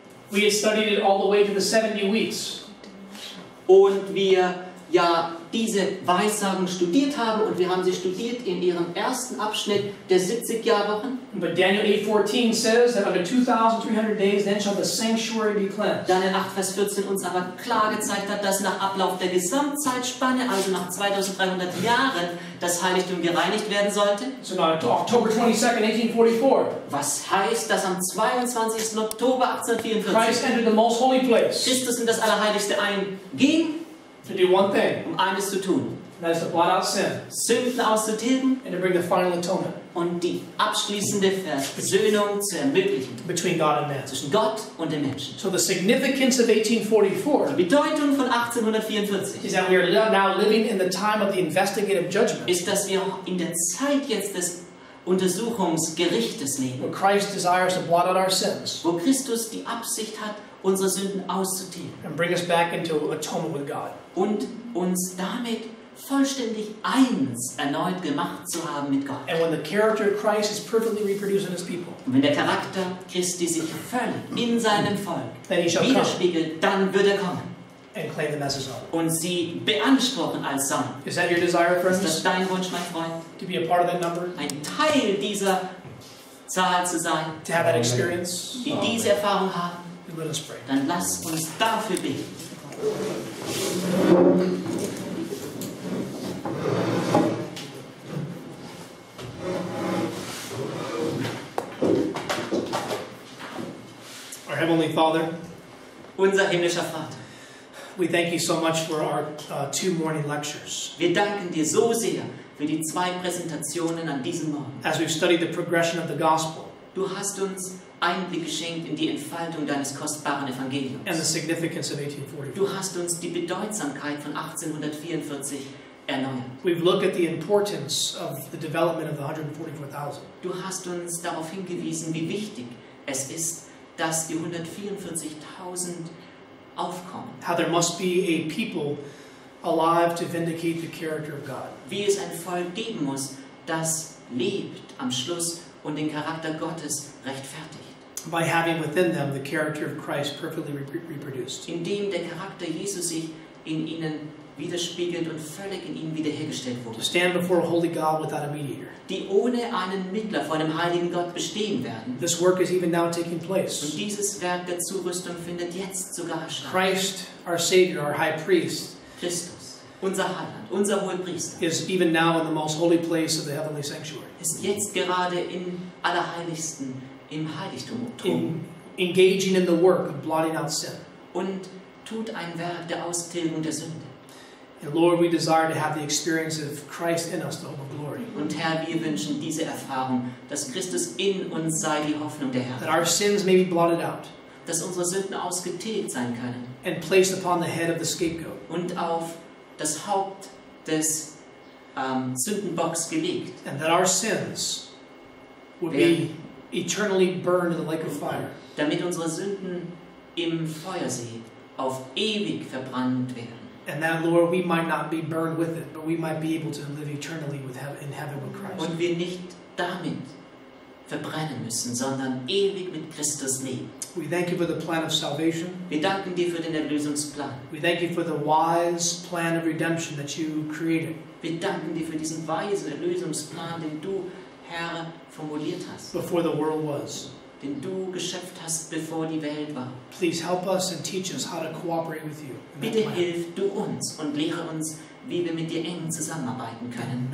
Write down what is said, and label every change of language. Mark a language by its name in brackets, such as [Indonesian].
[English] we had studied it all the way to the 70 weeks. [German] Und wir ja diese Weissagen studiert haben und wir haben sie studiert in ihrem ersten Abschnitt der 70 Jahre. [English] But Daniel 8:14 says that under 2300 days then shall the sanctuary be cleansed. [German] Daniel 8 Vers 14 uns aber klar gezeigt hat, dass nach Ablauf der Gesamtzeitspanne, also nach 2300 Jahren, das Heiligtum gereinigt werden sollte. [English] So now, October 22nd, 1844. [German] Was heißt, dass am 22. Oktober 1844 [English] Christ entered the most holy place. [German] Christus in das Allerheiligste einging. [English] To do one thing, [German] eines zu tun, [English] and that is to blot out sin, [German] Sünden auszutilgen, [English] and to bring the final atonement, [German] und die abschließende Versöhnung zu ermöglichen, [English] between God and man, [German] zwischen Gott und dem Menschen. [English] So the significance of 1844, [German] die Bedeutung von 1844, [English] is that we are now living in the time of the investigative judgment, [German] ist, dass wir in der Zeit jetzt des Untersuchungsgerichtes leben, [English] where Christ desires to blot out our sins, [German] wo Christus die Absicht hat, unsere Sünden auszutilgen, [English] and bring us back into atonement with God. [German] Und uns damit vollständig eins erneut gemacht zu haben mit Gott. [English] And when the character of Christ is perfectly reproduced in his people, [German] und wenn der Charakter Christi sich völlig in seinem Volk widerspiegelt, dann wird er kommen. [English] And claim them as his own. [German] Und sie beanspruchen als sein. [English] Is that your desire, friends? [German] Ist das dein Wunsch, mein Freund? [English] To be a part of that number? [German] Ein Teil dieser Zahl zu sein. [English] To have that experience. [German] Die diese Erfahrung haben. [English] Then let us pray. [German] Dann lass uns dafür beten. [English] Our Heavenly Father, [German] unser himmlischer Vater, [English] we thank you so much for our two morning lectures. [German] Wir danken dir so sehr für die zwei Präsentationen an diesem Morgen. [English] As we've studied the progression of the gospel, [German] du hast uns Einblick geschenkt in die Entfaltung deines kostbaren Evangeliums. [English] And the significance of 1844. [German] Du hast uns die Bedeutsamkeit von 1844 erneuert. [English] We've looked at the importance of the development of the 144,000. [German] Du hast uns darauf hingewiesen, wie wichtig es ist, dass die 144,000 aufkommen. [English] How there must be a people alive to vindicate the character of God. [German] Wie es ein Volk geben muss, das lebt am Schluss und den Charakter Gottes rechtfertigt. [English] By having within them the character of Christ perfectly reproduced. [German] Indem der Charakter Jesus sich in ihnen widerspiegelt und völlig in ihnen wiederhergestellt wurde. [English] To stand before a holy God without a mediator. [German] Die ohne einen Mittler vor einem heiligen Gott bestehen werden. [English] This work is even now taking place. [German] Und dieses Werk der Zurüstung findet jetzt sogar statt. [English] Christ, our Savior, our High Priest. [German] Christus, unser Heiland, unser Hohepriester. [English] Is even now in the most holy place of the heavenly sanctuary. [German] Ist jetzt gerade im Allerheiligsten, im Heiligtum. [English] Engaging in the work of blotting out sin. [German] Und tut ein Werk der Austilgung der Sünde. [English] And Lord, we desire to have the experience of Christ in us, the hope of glory. [German] Und Herr, wir wünschen diese Erfahrung, dass Christus in uns sei, die Hoffnung der Herrlichkeit. [English] That our sins may be blotted out. [German] Dass unsere Sünden ausgetilgt sein können. [English] And placed upon the head of the scapegoat. [German] Und auf das Haupt des Sündenbocks gelegt. [English] And that our sins would be eternally burned in the lake of fire. [German] Damit unsere Sünden im Feuersee auf ewig verbrannt werden. [English] And that, Lord, we might not be burned with it, but we might be able to live eternally in heaven with Christ. [German] Und wir nicht damit verbrennen müssen, sondern ewig mit Christus leben. [English] We thank you for the plan of salvation. [German] Wir danken dir für den Erlösungsplan. [English] We thank you for the wise plan of redemption that you created. [German] Wir danken dir für diesen weisen Erlösungsplan, den du, Herr, formuliert hast. [English] Before the world was. [German] Den du geschöpft hast, bevor die Welt war. [English] Please help us and teach us how to cooperate with you. [German] Bitte hilf du uns und lehre uns, wie wir mit dir eng zusammenarbeiten können.